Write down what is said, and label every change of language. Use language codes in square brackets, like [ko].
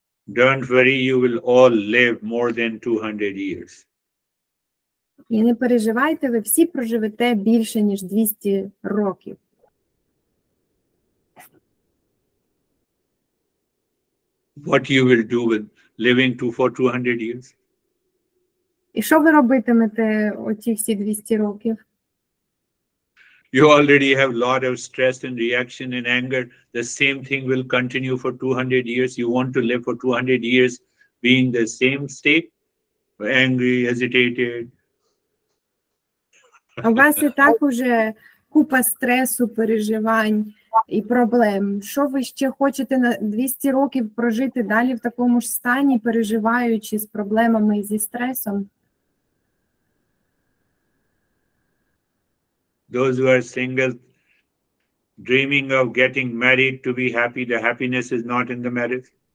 [en] Don't worry, you will all live more than 200 years. [uk] І не переживайте, ви всі проживете більше, ніж 200 років. [en] What you will do with living for 200 years? [uk] І що ви робитимете оці всі 200 років? [en] You already have a lot of stress and reaction and anger. The same thing will continue for 200 years. You want to live for 200 years being the same state? angry, hesitated. [uk] У вас і так уже купа стресу, переживань і проблем. Що ви ще хочете на 200 років прожити далі в такому ж стані, переживаючи з проблемами і зі стресом? [en] Those who are single, dreaming of getting married to be happy, the happiness is not in the marriage.